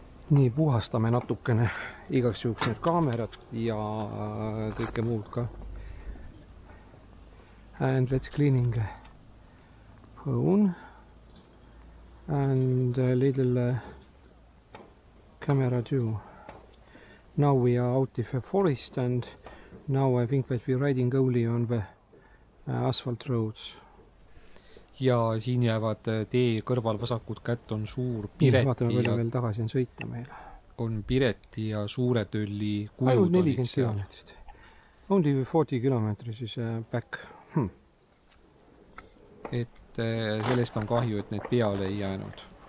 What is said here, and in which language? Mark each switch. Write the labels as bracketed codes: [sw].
[et] Nii, puhastame natukene igaks juhuks need kaamerad ja kõike muud ka. [en] And let's cleaning phone and a little camera too. Now we are out of the forest and now I think that we are riding only on the asphalt roads. [et] Ja siin jäävad tee kõrval vasakud kätt on suur Pireti. Vaatame, palju veel tagasi on sõita meil. On Pireti ja suure tölli kujud olid seal. [en] Kilometrit. Only 40 kilometrit is back. [et] Et sellest on kahju, et need peale ei jäänud.